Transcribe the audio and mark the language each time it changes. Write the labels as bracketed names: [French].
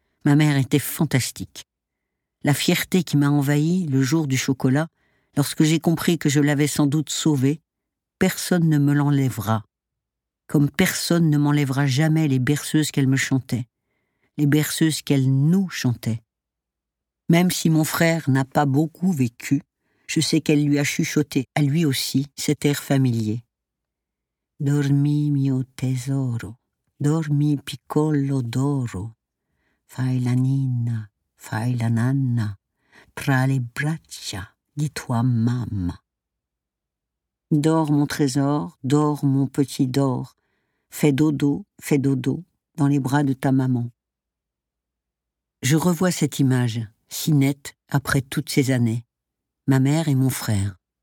[French] Ma mère était fantastique. La fierté qui m'a envahie le jour du chocolat, lorsque j'ai compris que je l'avais sans doute sauvée, personne ne me l'enlèvera, comme personne ne m'enlèvera jamais les berceuses qu'elle me chantait, les berceuses qu'elle nous chantait. Même si mon frère n'a pas beaucoup vécu, je sais qu'elle lui a chuchoté à lui aussi cet air familier. [Italian] Dormi mio tesoro, dormi piccolo d'oro, fai la nina, fai la nanna, tra le braccia di tua mamma. [French] Dors mon trésor, dors mon petit d'or, fais dodo, dans les bras de ta maman. Je revois cette image, si nette, après toutes ces années, ma mère et mon frère.